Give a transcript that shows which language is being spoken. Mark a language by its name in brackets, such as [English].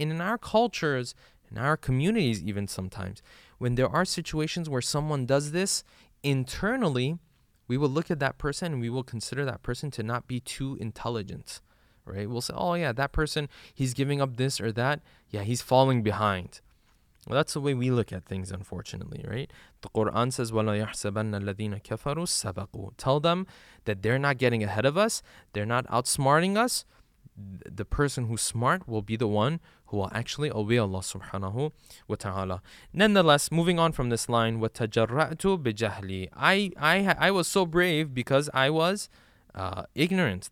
[English] And in our cultures, in our communities even sometimes, when there are situations where someone does this internally, we will look at that person and we will consider that person to not be too intelligent, right? We'll say, oh yeah, that person, he's giving up this or that. Yeah, he's falling behind. Well, that's the way we look at things, unfortunately, right? The Quran says, [Arabic] وَلَا يَحْسَبَنَّ الَّذِينَ كَفَرُوا سَبَقُوا. [English] Tell them that they're not getting ahead of us. They're not outsmarting us. The person who's smart will be the one who will actually obey Allah subhanahu wa ta'ala. Nonetheless, moving on from this line, [Arabic] وَتَجَرَّأْتُ بِجَهْلِي. [English] I was so brave because I was ignorant.